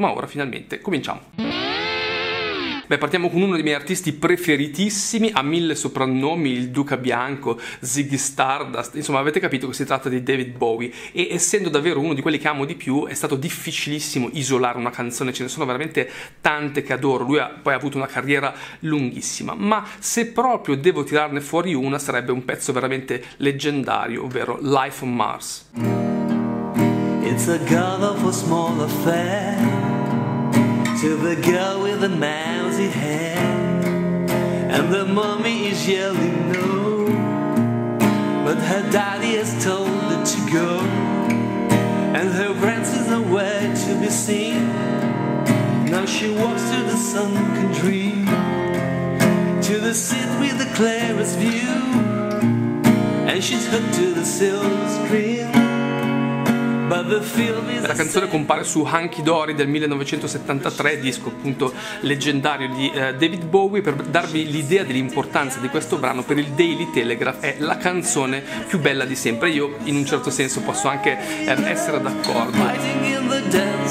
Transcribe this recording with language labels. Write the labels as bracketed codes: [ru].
[it] Ma ora finalmente cominciamo. Beh, partiamo con uno dei miei artisti preferitissimi, ha mille soprannomi, il Duca Bianco, Ziggy Stardust, insomma avete capito che si tratta di David Bowie, e essendo davvero uno di quelli che amo di più, è stato difficilissimo isolare una canzone, ce ne sono veramente tante che adoro, lui ha poi avuto una carriera lunghissima, ma se proprio devo tirarne fuori una sarebbe un pezzo veramente leggendario, ovvero Life on Mars. [en] It's a cover for small affair. To the girl with the mousy hair, and the mommy is yelling no, but her daddy has told her to go, and her friends is nowhere to be seen. Now she walks through the sunken dream to the seat with the clearest view, and she's hooked to the silver screen. [it] La canzone compare su Hunky Dory del 1973, disco appunto leggendario di David Bowie. Per darvi l'idea dell'importanza di questo brano, per il Daily Telegraph è la canzone più bella di sempre. Io in un certo senso posso anche essere d'accordo.